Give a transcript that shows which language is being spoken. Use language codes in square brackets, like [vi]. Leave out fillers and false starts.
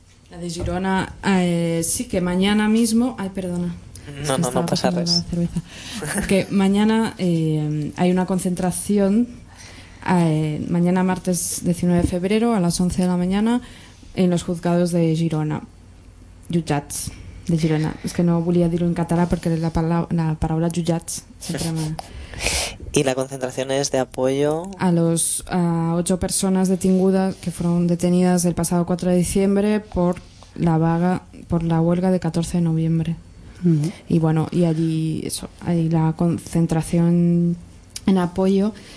[es] La de Girona, sí, que mañana mismo... Ay, perdona. No pasa nada. Que mañana hay una concentración, mañana martes 19 de febrero a las 11 de la mañana en los juzgados de Girona. [ca] Jutjats de Girona. Es que no volia dir-ho en català perquè la paraula jutjats sempre me... [es] ¿Y la concentración es de apoyo? A los 8 personas detenidas que fueron detenidas el pasado 4 de diciembre por la huelga de 14 de noviembre. Uh-huh. Y bueno, y allí eso, hay la concentración en apoyo.